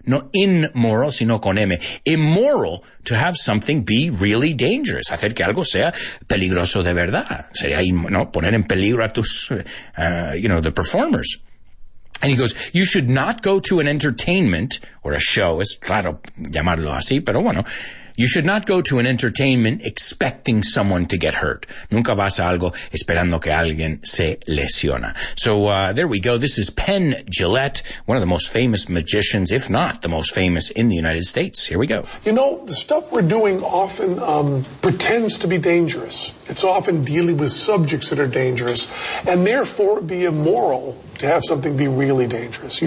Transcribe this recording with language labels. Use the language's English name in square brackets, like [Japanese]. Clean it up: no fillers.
[Spanish] No inmoral, sino con M. [English] Immoral to have something be really dangerous. [Spanish] Hacer que algo sea peligroso de verdad. Sería, no, poner en peligro a tus, [English] you know, the performers. And he goes, you should not go to an entertainment or a show. [Spanish] Es raro llamarlo así, pero bueno. [English] You should not go to an entertainment expecting someone to get hurt. [Spanish] Nunca vas a algo esperando que alguien se lesiona. [English] So there we go. This is Penn Jillette, one of the most famous magicians, if not the most famous in the United States. Here we go. You know, the stuff we're doing often pretends to be dangerous. It's often dealing with subjects that are dangerous, and therefore be immoral to have something be really dangerous.